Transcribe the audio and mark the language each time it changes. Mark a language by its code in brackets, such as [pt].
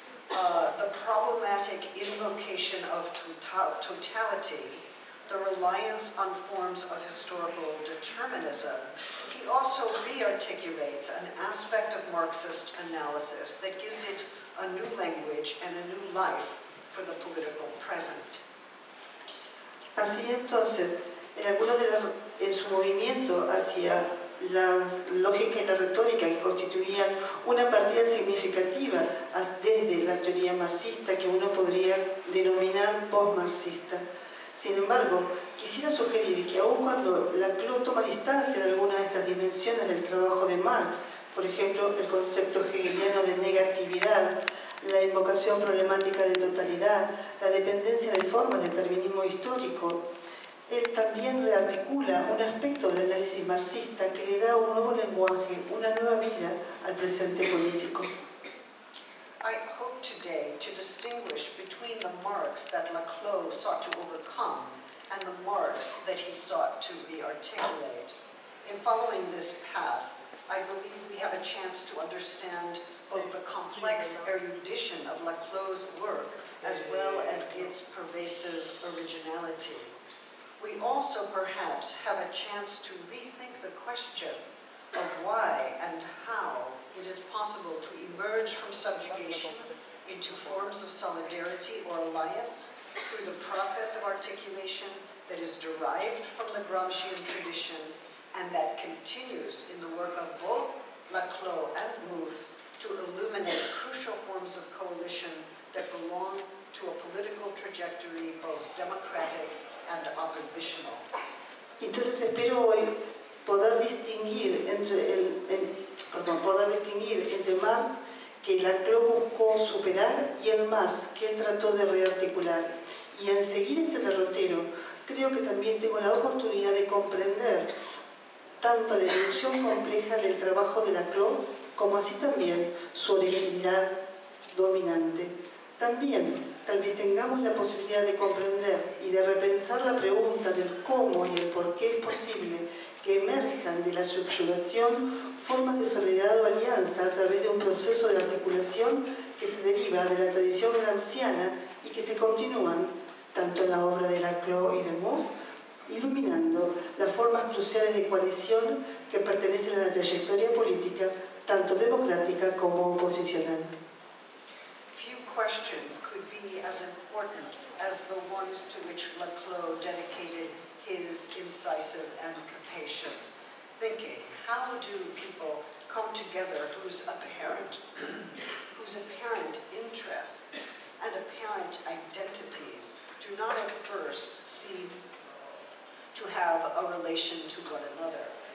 [en] the problematic invocation of totality, the reliance on forms of historical determinism, he also rearticulates an aspect of Marxist analysis that gives it a new language and a new life for the political present. [es] Así entonces, en alguno de los, en su movimiento hacia la lógica y la retórica que constituían una partida significativa desde la teoría marxista que uno podría denominar post-marxista. Sin embargo, quisiera sugerir que aun cuando Laclau toma distancia de alguna de estas dimensiones del trabajo de Marx, por ejemplo, el concepto hegeliano de negatividad, la invocación problemática de totalidad, la dependencia de formas del determinismo histórico, él también rearticula un aspecto del análisis marxista que le da un nuevo lenguaje, una nueva vida al presente político. [en] Today to distinguish between the Marx that Laclau sought to overcome and the Marx that he sought to re-articulate. In following this path, I believe we have a chance to understand both the complex erudition of Laclos' work as well as its pervasive originality. We also perhaps have a chance to rethink the question of why and how it is possible to emerge from subjugation into forms of solidarity or alliance through the process of articulation that is derived from the Gramscian tradition and that continues in the work of both Laclos and Mouffe to illuminate crucial forms of coalition that belong to a political trajectory both democratic and oppositional. [es] Entonces espero hoy poder distinguir entre el, el perdón, poder distinguir entre Marx que Laclos buscó superar y el Marx que él trató de rearticular. Y en seguir este derrotero, creo que también tengo la oportunidad de comprender tanto la dimensión compleja del trabajo de Laclos, como así también su originalidad dominante. También, tal vez tengamos la posibilidad de comprender y de repensar la pregunta del cómo y el por qué es posible que emerjan de la subyugación formas de solidaridad o alianza a través de un proceso de articulación que se deriva de la tradición gramsciana y que se continúan tanto en la obra de Laclos y de Mouffe, iluminando las formas cruciales de coalición que pertenecen a la trayectoria política, tanto democrática como oposicional. [en] Few questions could be as important as the ones to which Laclos dedicated his incisive and capacious thinking. How do people come together whose apparent interests and apparent identities do not at first seem to have a relation to one another?